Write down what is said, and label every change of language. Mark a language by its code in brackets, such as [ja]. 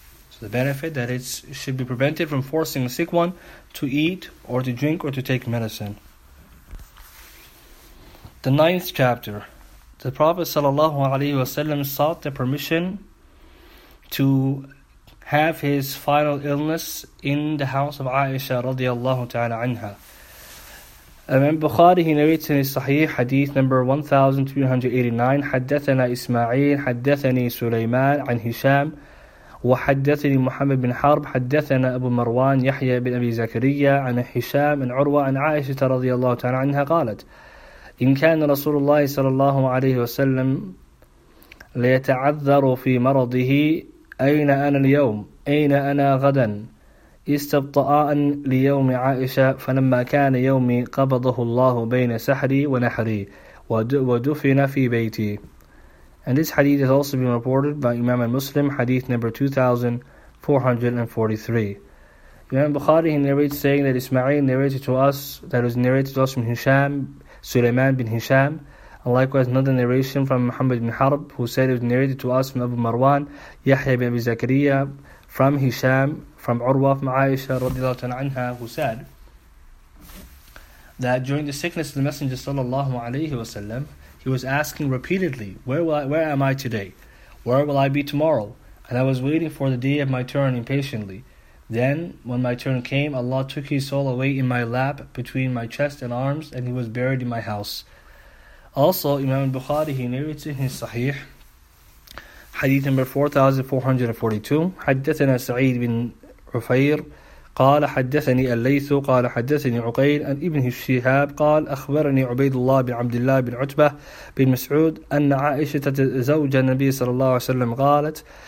[en] So the benefit that it should be prevented from forcing a sick one to eat or to drink or to take medicine. The ninth chapter. The Prophet sallallahu alaihi wasallam sought the permission to have his final illness in the house of Aisha radiallahu ta'ala anha. Imam Bukhari, he narrates in his Sahih hadith number 1389, [ar] حدثنا إسماعيل حدثني سليمان عن هشام وحدثني محمد بن حرب حدثنا أبو مروان يحيى بن أبي زكريا عن هشام عن عروة عن عائشة رضي الله تعالى عنها قالت إن كان رسول الله صلى الله عليه وسلم ليتعذر في مرضه أين أنا اليوم أين أنا غدا استبطأ ليوم عائشة فلما كان يومي قبضه الله بين سحري ونحري ودفن في بيتي. [en] And this hadith has also been reported by Imam al-Muslim, hadith number 2443. Imam Bukhari, he narrates saying that Ismail narrated to us, that was narrated to us from Hisham, Sulaiman bin Hisham, and likewise another narration from Muhammad bin Harb, who said it was narrated to us from Abu Marwan, Yahya bin Abi Zakariya, from Hisham, from Urwa, from Aisha radiallahu ta'ala anha, who said that during the sickness of the Messenger sallallahu alayhi wa sallam, he was asking repeatedly, where am I today? Where will I be tomorrow? And I was waiting for the day of my turn impatiently. Then, when my turn came, Allah took his soul away in my lap between my chest and arms, and he was buried in my house. Also, Imam al-Bukhari, he narrates in his Sahih, hadith number 4442, [ar] حدثنا سعيد بن عفير قال حدثني الليث قال حدثني عقيل عن ابن الشهاب قال أخبرني عبيد الله بن عبد الله بن عتبة بن مسعود أن عائشة زوج النبي صلى الله عليه وسلم قالت